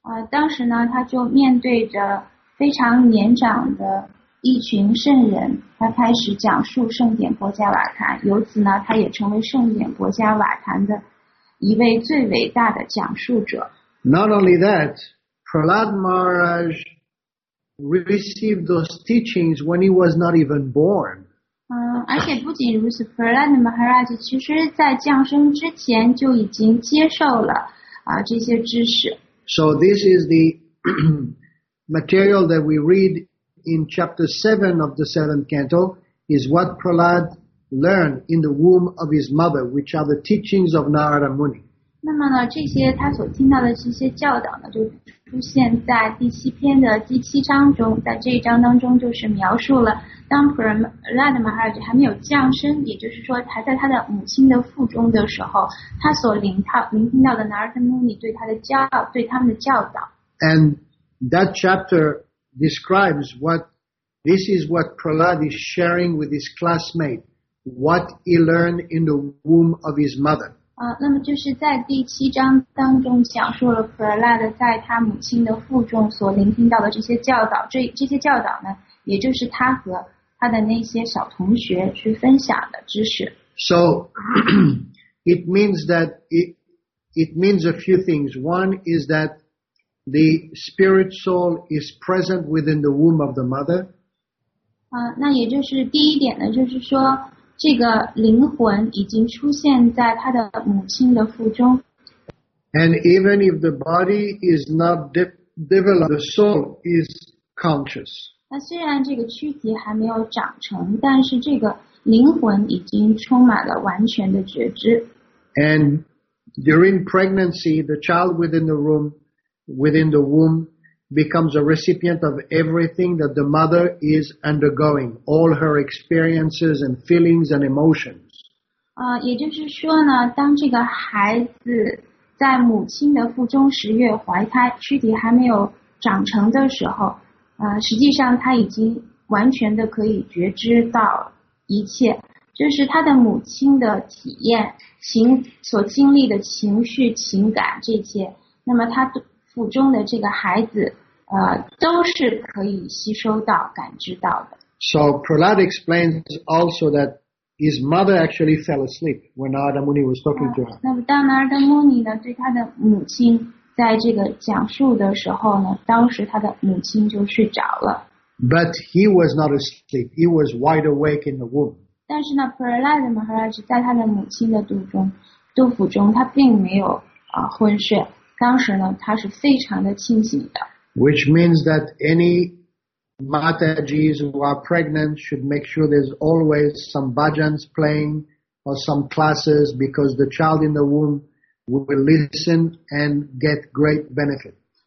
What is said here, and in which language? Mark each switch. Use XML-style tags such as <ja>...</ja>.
<zh>当时呢他就面对着非常年长的一群圣人，他开始讲述圣典波迦瓦坛，由此呢他也成为圣典波迦瓦坛的一位最伟大的讲述者。</zh> <en>Not only that, Prahlad Maharaj received those teachings when he was not even born.</en> <zh>而且不仅如此 ，Prahlad Maharaj 其实在降生之前就已经接受了这些知识。</zh> <en>So this is the material that we read in chapter 7 of the 7th canto is what Prahlad learned in the womb of his mother, which are the teachings of Narada Muni.</en> <zh>那么呢，这些他所听到的这些教导呢，就出现在第七篇的第七章中，在这一章当中就是描述了。当 Prahlad Maharaj 还没有降生，也就是说还在他的母亲的腹中的时候，他所聆听到的 Narada Muni 对他们的教导。</zh> <en>And that chapter describes what this is what Prahlad is sharing with his classmate, what he learned in the womb of his mother.</en> <zh>那么就是在第七章当中讲述了 Prahlad 在他母亲的腹中所聆听到的这些教导，这些教导呢，也就是他和他的那些小同学去分享的知识。</zh> <en>So, it means a few things. One is that the spirit soul is present within the womb of the mother.</en> <zh>那也就是第一点呢，就是说这个灵魂已经出现在他的母亲的腹中。</zh> <en>And even if the body is not developed, the soul is conscious.</en> <zh>那虽然这个躯体还没有长成，但是这个灵魂已经充满了完全的觉知。</zh> <en>And during pregnancy, the child within the womb, becomes a recipient of everything that the mother is undergoing, all her experiences and feelings and emotions.</en> <zh>也就是说呢，当这个孩子在母亲的腹中十月怀胎，躯体还没有长成的时候，实际上他已经完全的可以觉知到一切，就是他的母亲的体验情所经历的情绪情感这些，那么他腹中的这个孩子，都是可以吸收到感知到的。</zh> <en>So Prahlad explains also that his mother actually fell asleep when Narada Muni was talking to her.</en> <zh>那么当 Narada Muni 呢对他的母亲在这个讲述的时候呢，当时他的母亲就睡着了。</zh> <en>But he was not asleep. He was wide awake in the womb.</en> <zh>但是呢 ，Prahlad Maharaj 在他的母亲的肚腹中，他并没有昏睡。当时呢，他是非常的清醒的。</zh> <en>Which means that any Matajis who are pregnant should make sure there's always some bhajans playing or some classes because the child in the womb will listen and get great benefit.</en>